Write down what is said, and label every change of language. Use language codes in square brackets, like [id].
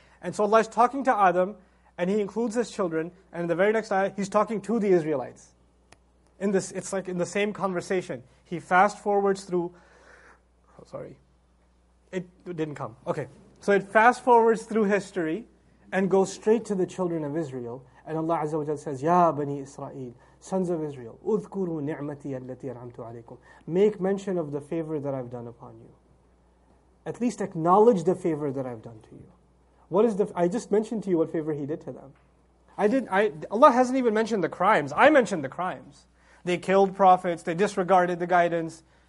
[en] And so Allah is talking to Adam, and He includes His children, and in the very next ayah, He's talking to the Israelites. In this, it's like in the same conversation. He fast forwards through... Oh, sorry. It didn't come. Okay. So it fast forwards through history, and goes straight to the children of Israel. And Allah Azza wa Jalla says, [ar] يَا بَنِي إِسْرَائِيلِ [en] Sons of Israel, [ar] اذكروا نعمتي التي أنعمت عليكم. [en] Make mention of the favor that I've done upon you. At least acknowledge the favor that I've done to you. What is the? I just mentioned to you what favor He did to them. Allah hasn't even mentioned the crimes. I mentioned the crimes. They killed prophets. They disregarded the guidance.